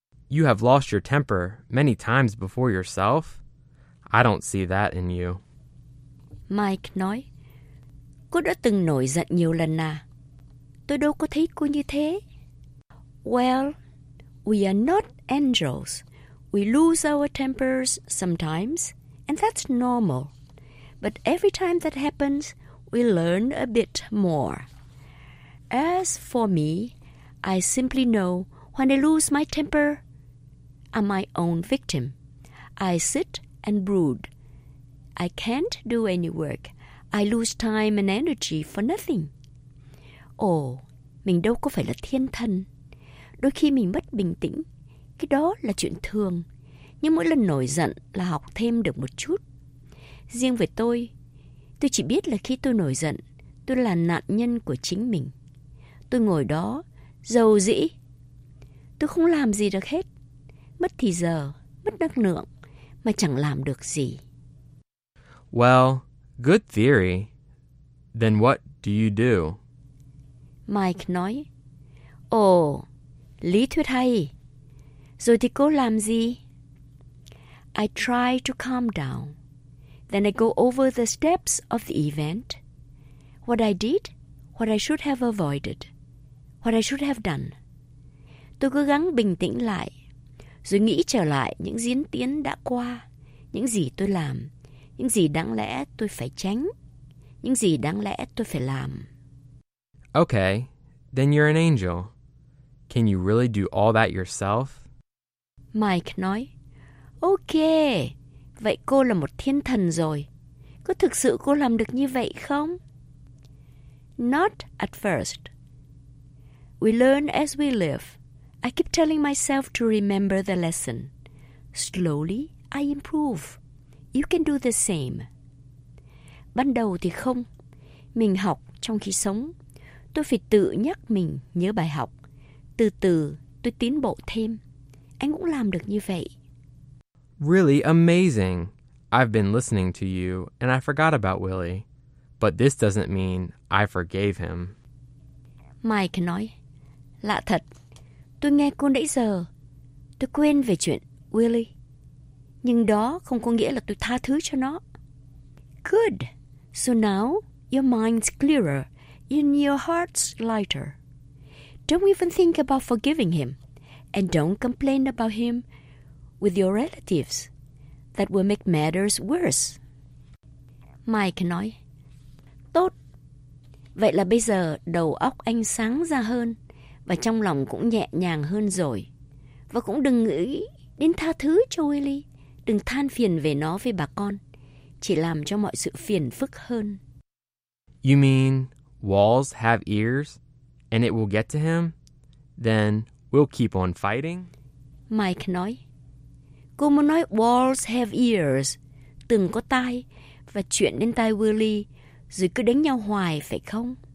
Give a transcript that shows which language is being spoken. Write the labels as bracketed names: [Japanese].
[English] You have lost your temper many times before yourself. I don't see that in you. [Vietnamese] Mike nói, cô đã từng nổi giận nhiều lần à? Tôi đâu có thấy cô như thế. [English] Well, we are not angels. We lose our tempers sometimes, and that's normal. But every time that happens, we learn a bit more. As for me, I simply know when I lose my temper, I'm my own victim. I sit and brood. I can't do any work. I lose time and energy for nothing. [Vietnamese] Oh, mình đâu có phải là thiên thần. Đôi khi mình mất bình tĩnh, cái đó là chuyện thường. Nhưng mỗi lần nổi giận là học thêm được một chút. Riêng về tôi chỉ biết là khi tôi nổi giận, tôi là nạn nhân của chính mình. Tôi ngồi đó, dầu dĩ. Tôi không làm gì được hết. Mất thì giờ, mất năng lượng, mà chẳng làm được gì. [English] Well, good theory. Then what do you do? [Vietnamese] Mike nói, Oh, lý thuyết hay. Rồi thì cô làm gì? [English] I try to calm down. Then I go over the steps of the event. What I did, what I should have avoided, what I should have done. [Vietnamese] Tôi cố gắng bình tĩnh lại, rồi nghĩ trở lại những diễn tiến đã qua, những gì tôi làm, những gì đáng lẽ tôi phải tránh, những gì đáng lẽ tôi phải làm. [English] Okay, then you're an angel. Can you really do all that yourself? [Vietnamese] Mike nói, Okay, vậy cô là một thiên thần rồi. Có thực sự cô làm được như vậy không? [English] Not at first. We learn as we live. I keep telling myself to remember the lesson. Slowly, I improve. You can do the same. [Vietnamese] Ban đầu thì không. Mình học trong khi sống. Tôi phải tự nhắc mình nhớ bài học. Từ từ, tôi tiến bộ thêm. Anh cũng làm được như vậy. [English] Really amazing. I've been listening to you, and I forgot about Willie. But this doesn't mean I forgave him. [Vietnamese] Mike nói, Lạ thật, tôi nghe cô nãy giờ. Tôi quên về chuyện Willie. Nhưng đó không có nghĩa là tôi tha thứ cho nó. [English] Good. So now, your mind's clearer, and your heart's lighter. Don't even think about forgiving him, and don't complain about him with your relatives. That will make matters worse. [Vietnamese] Mike nói, Tốt. Vậy là bây giờ đầu óc anh sáng ra hơn và trong lòng cũng nhẹ nhàng hơn rồi. Và cũng đừng nghĩ đến tha thứ cho Willie. Đừng than phiền về nó với bà con. Chỉ làm cho mọi sự phiền phức hơn. [English] You mean walls have ears and it will get to him? Then we'll keep on fighting? [Vietnamese] Mike nói, Cô muốn nói [English] walls have ears, [Vietnamese] từng có tai, và chuyện đến tai Willie, rồi cứ đánh nhau hoài, phải không?